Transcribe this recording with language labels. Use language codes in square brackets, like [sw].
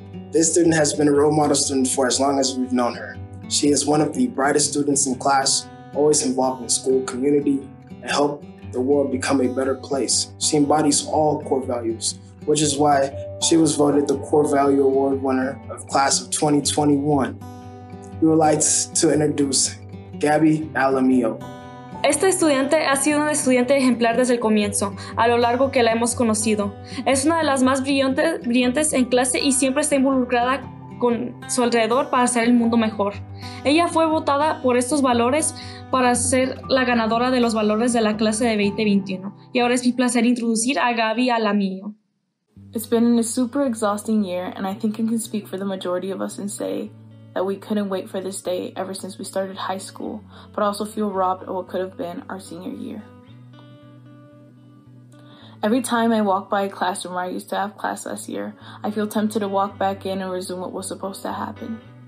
[en] This student has been a role model student for as long as we've known her. She is one of the brightest students in class, always involved in school community, and helped the world become a better place. She embodies all core values, which is why she was voted the Core Value Award winner of class of 2021. We would like to introduce Gabby Alamillo. [es] Esta estudiante ha sido una estudiante ejemplar desde el comienzo, a lo largo que la hemos conocido. Es una de las más brillantes en clase y siempre está involucrada con su alrededor para hacer el mundo mejor. Ella fue votada por estos valores para ser la ganadora de los valores de la clase de 2021. Y ahora es mi placer introducir a Gabby Alamillo. [en] It's been a super exhausting year, and I think I can speak for the majority of us and say that we couldn't wait for this day ever since we started high school, but also feel robbed of what could have been our senior year. Every time I walk by a classroom where I used to have class last year, I feel tempted to walk back in and resume what was supposed to happen.